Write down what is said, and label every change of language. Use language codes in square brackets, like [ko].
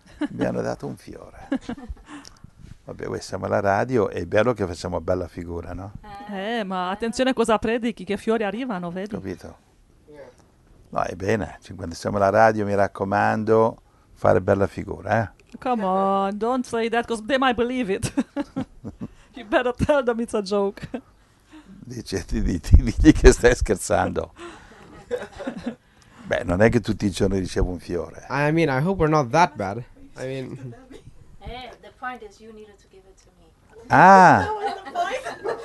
[it] Mi hanno dato un fiore. Vabbè, qui siamo alla radio, è bello che facciamo bella figura, no? Ma attenzione a cosa predichi, che fiori arrivano, vedi? Capito. No, è bene, quando siamo alla radio, mi raccomando, fare bella figura, eh? [en] Come on, don't say that, because they might believe it. You better tell them it's a joke. [it] Dici che stai scherzando. Beh, non è che tutti i giorni ricevo un fiore. [en] I mean, I hope we're not that bad. I mean, the point is you needed to give it to me.